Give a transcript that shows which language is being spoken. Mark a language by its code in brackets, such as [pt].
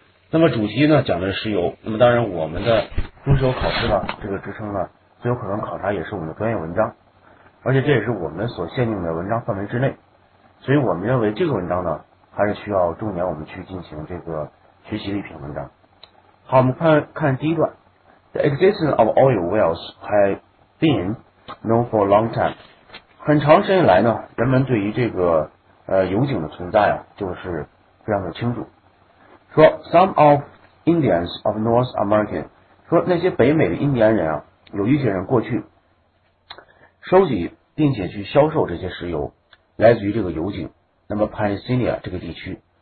[zh] 那么主题呢讲的是石油，那么当然我们的中石油考试呢，这个职称呢最有可能考察也是我们的专业文章，而且这也是我们所限定的文章范围之内。所以我们认为这个文章呢还是需要重点我们去进行这个学习的一篇文章。好，我们看第一段。 [en] The existence of oil wells has been known for a long time。 [zh] 很长时间以来呢，人们对于这个油井的存在啊就是非常的清楚。说 Some of Indians of North America，说那些北美的印第安人啊，有一些人过去收集并且去销售这些石油，来自于这个油井，那么 Pennsylvania 这个地区。